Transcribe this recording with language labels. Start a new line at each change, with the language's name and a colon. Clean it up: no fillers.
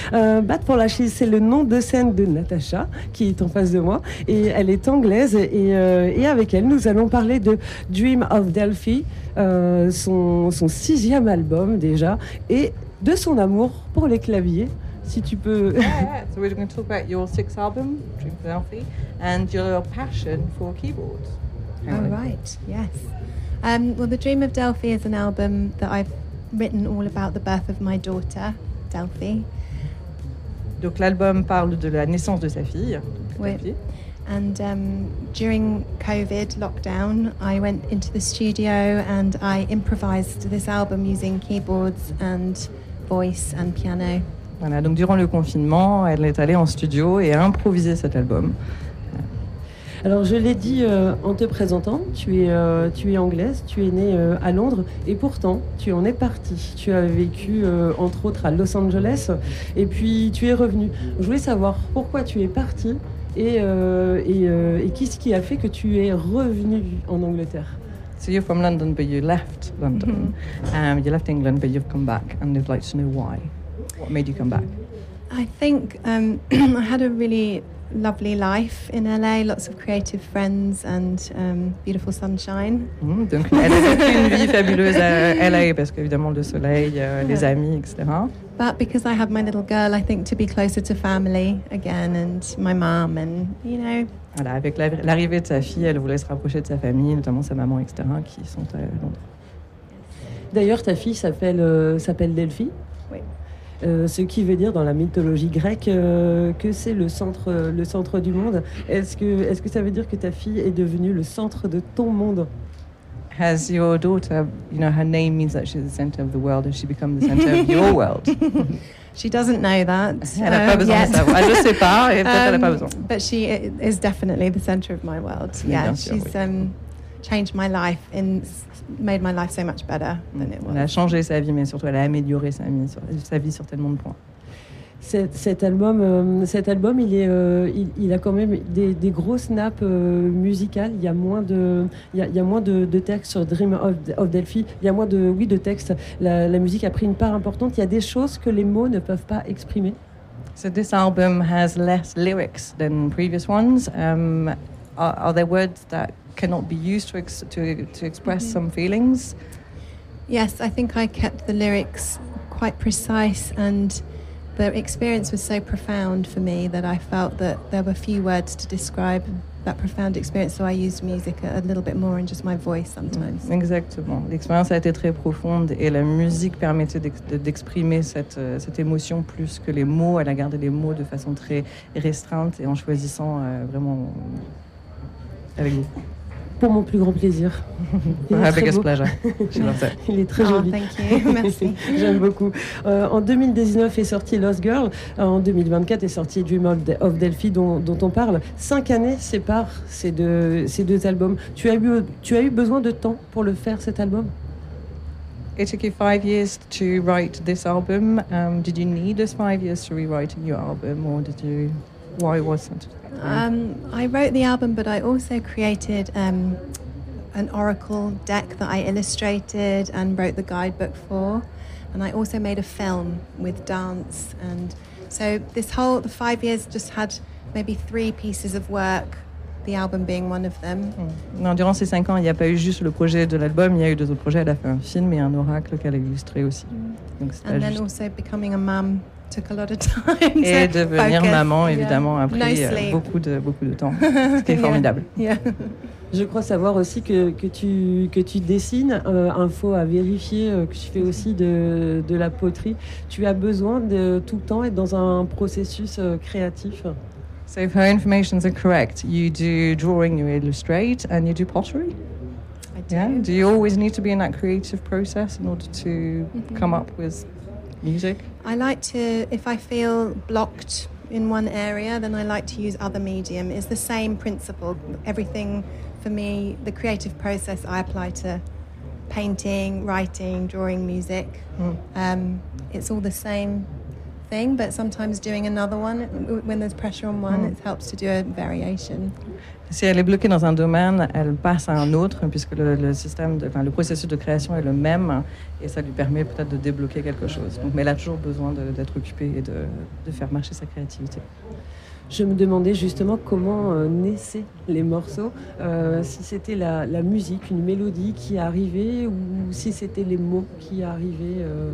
French: Bad for Lashes, c'est le nom de scène de Natacha, qui est en face de moi. Et elle est anglaise. Et avec elle, nous allons parler de Dream of Delphi, son sixième album déjà, et de son amour pour les claviers. Si tu peux.
English: So we're going to talk about your sixth album, Dream of Delphi, and your passion for keyboards. Oh, right, yes. The Dream of Delphi is an album that I've written all about the birth of my daughter, Delphi.
French: Donc l'album parle de la naissance de sa fille, Delphi.
English: And during COVID lockdown, I went into the studio and I improvised this album using keyboards and voice and piano.
French: Voilà, donc durant le confinement, elle est allée en studio et a improvisé cet album. Alors, je l'ai dit en te présentant, tu es anglaise, tu es née à Londres et pourtant, tu en es partie. Tu as vécu, entre autres, à Los Angeles et puis tu es revenue. Je voulais savoir pourquoi tu es partie et qu'est-ce qui a fait que tu es revenue en Angleterre.
English: So you're from London, but you left London. Mm-hmm. You left England, but you've come back and you'd like to know why. What made you come back? I think I had a really lovely life in LA, lots of creative friends and beautiful sunshine.
French: Donc elle a vécu une vie fabuleuse à LA parce qu'évidemment le soleil, les amis, etc.
English: But because I have my little girl, I think to be closer to family again and my mom and you know.
French: Voilà, avec l'arrivée de sa fille, elle voulait se rapprocher de sa famille, notamment sa maman, etc., qui sont à Londres. D'ailleurs, ta fille s'appelle Delphi. Oui. Ce qui veut dire dans la mythologie grecque que c'est le centre du monde. Est-ce que ça veut dire que ta fille est devenue le centre de ton monde?
English: Has your daughter, you know, her name means that she's the center of the world. Has she become the center of your world? She doesn't know that.
French: Elle n'a pas besoin
English: yet.
French: De savoir. Elle ne sait pas. Et peut-être elle n'a pas besoin.
English: But she is definitely the center of my world. Yeah,
French: bien sûr,
English: she's changed my life in. Made my life so much better than it was.
French: Elle a changé sa vie, mais surtout elle a amélioré sa vie sur tellement de points. Cet album, il a quand même des grosses nappes musicales. Il y a moins de textes sur Dream of Delphi. Il y a moins de textes. La musique a pris une part importante. Il y a des choses que les mots ne peuvent pas exprimer.
English: So this album has less lyrics than previous ones. Are there words that cannot be used to express mm-hmm. some feelings? Yes, I think I kept the lyrics quite precise and the experience was so profound for me that I felt that there were few words to describe that profound experience, so I used music a little bit more and just my voice sometimes.
French: Mm, exactement. L'expérience a été très profonde et la musique permettait d'exprimer cette émotion plus que les mots. Elle a gardé les mots de façon très restreinte et en choisissant vraiment avec vous. Pour mon plus grand plaisir. Il est très joli.
English: Oh, thank you.
French: Merci. J'aime beaucoup. En 2019 est sorti Lost Girl. En 2024 est sorti Dream of Delphi dont on parle. 5 années séparent ces deux albums. Tu as eu besoin de temps pour le faire cet album?
English: It took you 5 years to write this album. Did you need those 5 years to rewrite your album or did you? Why wasn't? I wrote the album, but I also created an oracle deck that I illustrated and wrote the guidebook for, and I also made a film with dance. And so the 5 years just had maybe 3 pieces of work, the album being one of them.
French: Non, durant ces 5 ans, il n'y a pas eu juste le projet de l'album. Il y a eu d'autres projets. Elle a fait un film et un oracle qu'elle a illustré aussi.
English: Also becoming a mum. Took a lot of time to
French: et devenir
English: focus.
French: Maman, évidemment, yeah. A pris
English: no
French: beaucoup de temps, ce qui est formidable.
English: Yeah. Yeah.
French: Je crois savoir aussi que tu dessines, info à vérifier, que tu fais aussi de la poterie. Tu as besoin de tout le temps être dans un processus créatif.
English: So if her information is correct, you do drawing, you illustrate, and you do pottery? I do. Yeah? Do you always need to be in that creative process in order to mm-hmm. come up with music? I like to, if I feel blocked in one area, then I like to use other medium. It's the same principle. Everything for me, the creative process I apply to painting, writing, drawing, music. Mm. It's all the same thing, but sometimes doing another one, when there's pressure on one, it helps to do a variation.
French: Si elle est bloquée dans un domaine, elle passe à un autre puisque le processus de création est le même et ça lui permet peut-être de débloquer quelque chose. Donc, mais elle a toujours besoin d'être occupée et de faire marcher sa créativité. Je me demandais justement comment naissaient les morceaux, si c'était la musique, une mélodie qui arrivait ou si c'était les mots qui arrivaient.